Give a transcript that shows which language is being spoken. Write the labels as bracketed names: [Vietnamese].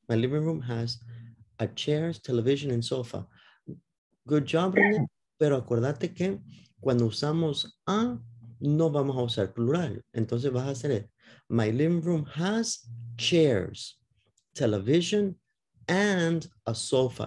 [English] My living room has a chair, television, and sofa. Good job, Ronnie. [Spanish] Pero acordate que cuando usamos a, no vamos a usar plural. Entonces vas a hacer it. [English] My living room has chairs, television, and a sofa.